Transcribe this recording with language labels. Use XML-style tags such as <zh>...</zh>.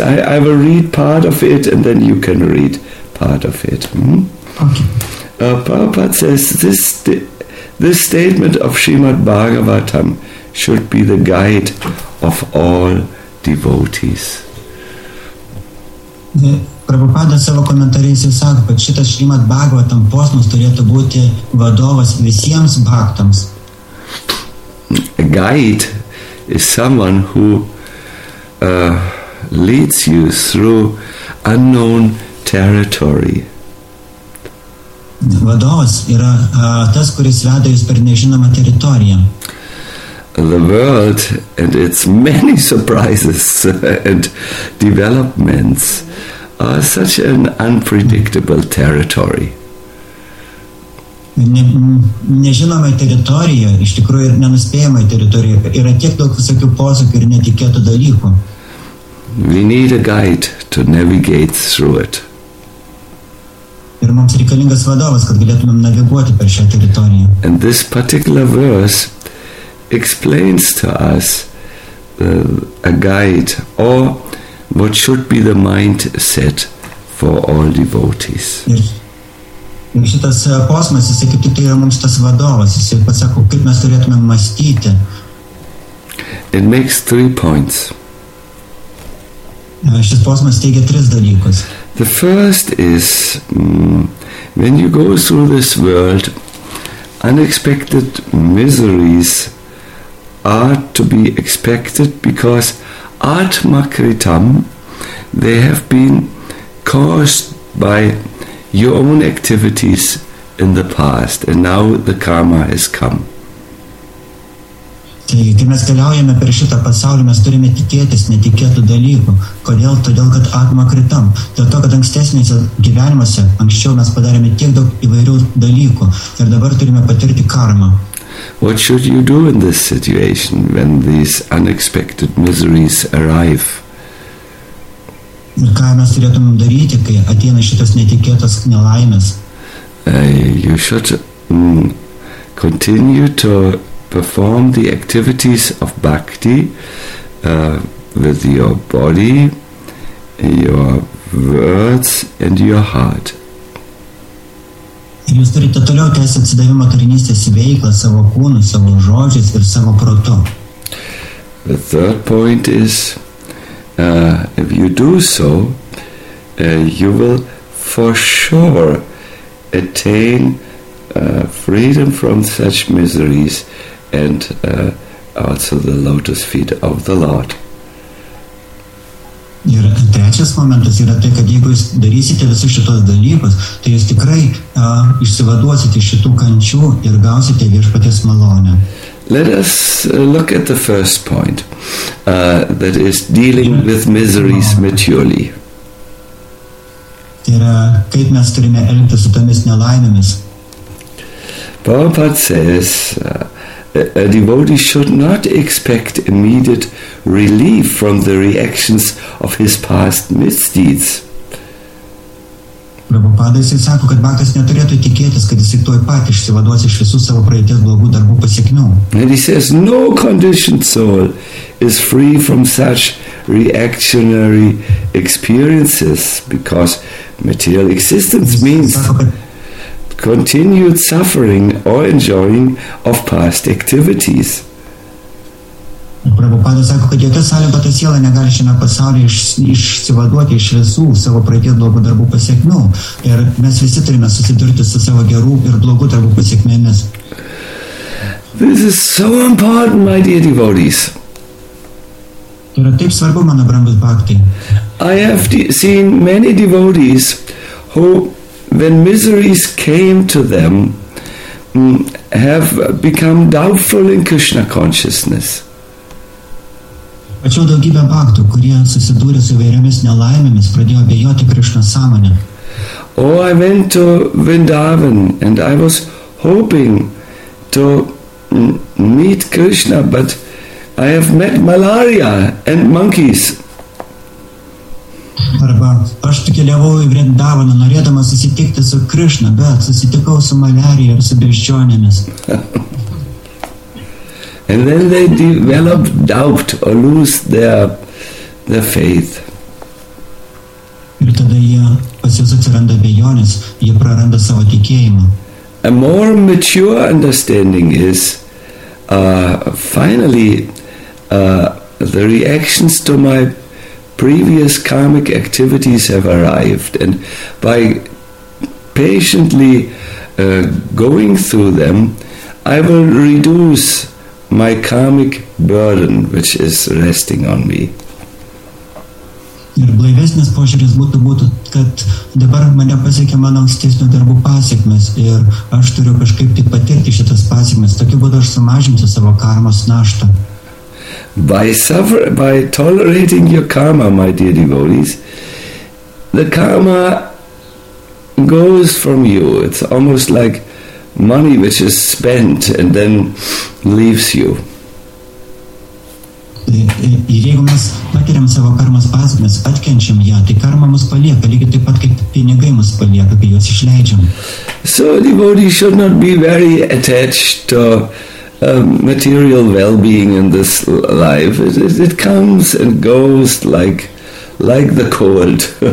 <en>I will read part of it, and then you can read part of it. Okay. Prabhupada says this statement of Srimad Bhagavatam should be the guide of all devotees.</en> <lt>Prabhupada savo komentarėse sako, kad šitas Srimad Bhagavatam posmas turėtų būti vadovas visiems bhaktams.</lt> <en>A guide is someone who leads you through unknown territory.</en> <lt>Vadovas yra tas, kuris veda jūs per nežinomą teritoriją.</lt> <en>The world and its many surprises and developments are such an unpredictable territory.</en> <lt>Nežinoma teritorija, iš tikrųjų ir nenuspėjama teritorija, yra tiek daug visokių posūkių ir netikėtų dalykų.</lt> <en>We need a guide to navigate through it.</en> <lt>Ir mums reikalingas vadovas, kad galėtumėm naviguoti per šią teritoriją.</lt> <en>And this particular verse explains to us a guide or what should be the mindset for all devotees.</en> <lt>Ir šitas posmas, jis kaip tik yra mums tas vadovas, jis pasako, kaip mes turėtumėm mąstyti.</lt> <en>It makes three points.</en> <lt>Šis posmas teigia tris dalykus.</lt> <en>The first is, when you go through this world, unexpected miseries are to be expected because Atma Kritam, they have been caused by your own activities in the past, and now the karma has come.</en> <lt>Taigi, kai mes keliaujame per šitą pasaulį, mes turime tikėtis netikėtų dalykų. Kodėl? Todėl, kad Atma Kritam. Dėl to, kad ankstesnėse gyvenimuose, anksčiau mes padarėme tiek daug įvairių dalykų ir dabar turime patirti karmą.</lt> <en>What should you do in this situation when these unexpected miseries arrive?</en> <lt>Ką mes turėtumėm daryti, kai ateina šitas netikėtas nelaimės?</lt> <en>You should continue to perform the activities of bhakti with your body, your words and your heart.</en> <lt>Jūs turite toliau tęsti atsidavimo tarnystės veiklą savo kūnu, savo žodžiais ir savo protu.</lt> <en>The third point is, if you do so, you will for sure attain freedom from such miseries and also the lotus feet of the Lord.</en> <lt>Ir trečias momentas yra tai, kad jeigu jūs darysite visus šitos dalykus, tai jūs tikrai išsivaduosite iš šitų kančių ir gausite viešpaties malonę.</lt> <en>Let us look at the first point, that is dealing with miseries maturely.</en> <lt>Tai yra, kaip mes turime elgtis su tomis nelaimėmis.</lt> <en>Prabhupada says, a devotee should not expect immediate relief from the reactions of his past misdeeds.</en> <lt>Prabhupada sako, kad bhaktas neturėtų tikėtis, kad jis tuoj pat išsivaduos iš visų savo praeities blogų darbų pasekmių.</lt> <en>And he says, no conditioned soul is free from such reactionary experiences because material existence means continued suffering or enjoying of past activities.</en> <lt>Prabhupada sako, kad jokia sąlyga ta siela negali šiame pasaulyje išsivaduoti iš visų savo praeities blogų darbų pasekmių. Ir mes visi turime susidurti su savo gerų ir blogų darbų pasekmėmis.</lt> <en>This is so important, my dear devotees.</en> <lt>Yra taip svarbu, mano brangus bhakti.</lt> <en>I have seen many devotees who, when miseries came to them, have become doubtful in Krishna consciousness.</en> <lt>Pačiau daugybę baktų, kurie susidūrė su įvairiomis nelaimėmis, pradėjo abejoti Krishna sąmonę.</lt> <en>Oh, I went to Vrindavan and I was hoping to meet Krishna, but I have met malaria and monkeys.</en> <lt>Arba aš keliavau į Vrindavaną, norėdamas susitikti su Krishna, bet susitikau su malarija ir su beždžionėmis.</lt> <en>And then they develop doubt or lose their faith.</en> <lt>Ir tada jie pas jūs atsiranda abejonės, jie praranda savo tikėjimą.</lt> <en>A more mature understanding is, finally, the reactions to my previous karmic activities have arrived, and by patiently going through them, I will reduce my karmic burden which is resting on me.</en> <lt>Ir blaivesnis požiūris būtų, kad dabar mane pasiekė mano ankstesnių darbų pasiekmes ir aš turiu kažkaip tik patirti šitas pasiekmes. Tokiu būdu aš sumažinsiu savo karmos naštą.</lt> <en>By tolerating your karma, my dear devotees, the karma goes from you. It's almost like money which is spent and then leaves you.</en> <lt>Ir jeigu mes patiriam savo karmos pasekmes, atkenčiam ją, tai karma mus palieka, lygiai taip pat kaip pinigai mus palieka, kai juos išleidžiam.</lt> <en>So a devotee should not be very attached to material well-being in this life. It comes and goes like the cold.</en>